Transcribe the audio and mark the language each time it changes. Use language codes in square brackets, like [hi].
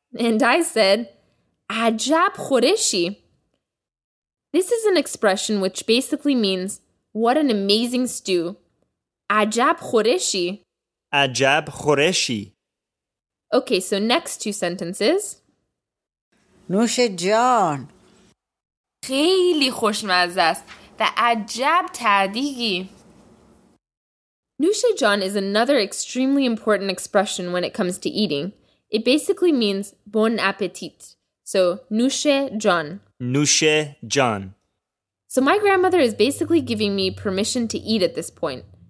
[en] And I said, [fa] عجب خورشی. [en] This is an expression which basically means, what an amazing stew. [fa] عجب خورشی. عجب خورشی. [en] Okay, so next two sentences. [fa] نوش جان. خیلی خوشمزه است و عجب تعدیگی. نوش جان [en] is another extremely important expression when it comes to eating. It basically means bon appetit. [fa] So, nushe jan. Nushe jan. [en] So my grandmother is basically giving me permission to eat at this point.